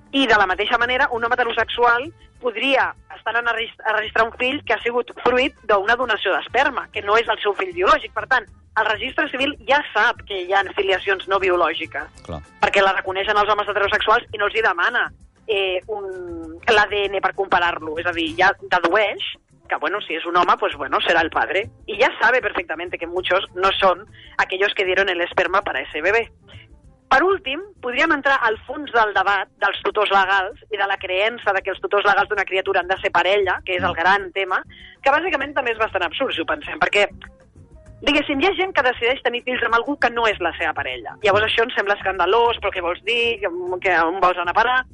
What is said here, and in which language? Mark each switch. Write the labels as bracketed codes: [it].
[ca] I, de la mateixa manera, un home heterosexual podria estar anant a registrar un fill que ha sigut fruit d'una donació d'esperma, que no és el seu fill biològic. Per tant, el registre civil ja sap que hi ha filiacions no biològiques. Clar. Perquè la reconeixen els homes heterosexuals i no els hi demana l'ADN per comparar-lo. És a dir, ja dedueix que, bueno, si és un home, pues bueno, serà el padre. I ja [es] sabe perfectamente que muchos no son aquellos que dieron el esperma para ese bebé. [ca] Per últim, podríem entrar al fons del debat dels tutors legals i de la creença de que els tutors legals d'una criatura han de ser parella, que és el gran tema, que bàsicament també és bastant absurd, si ho pensem, perquè, diguéssim, hi ha gent que decideix tenir fills amb algú que no és la seva parella. Llavors això ens sembla escandalós, però què vols dir, que on vols anar a parar?